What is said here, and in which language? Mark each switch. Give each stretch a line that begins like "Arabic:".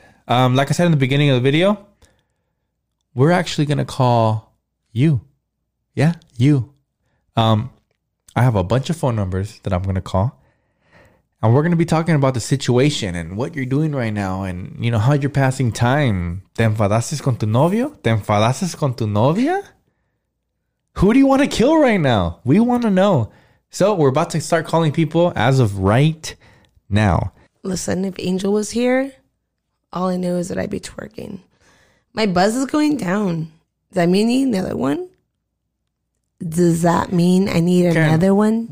English: Like I said in the beginning of the video, we're actually going to call you. Yeah, you. I have a bunch of phone numbers that I'm going to call. And we're going to be talking about the situation and what you're doing right now and, you know, how you're passing time.
Spanish: ¿Te enfadaste con tu novio? ¿Te enfadaste con tu novia?
English: Who do you want to kill right now? We want to know. So we're about to start calling people as of right now. Listen, if Angel was here, all I know is that I'd be twerking. My buzz is going down. Does that mean I need another one? Does that mean I need another one?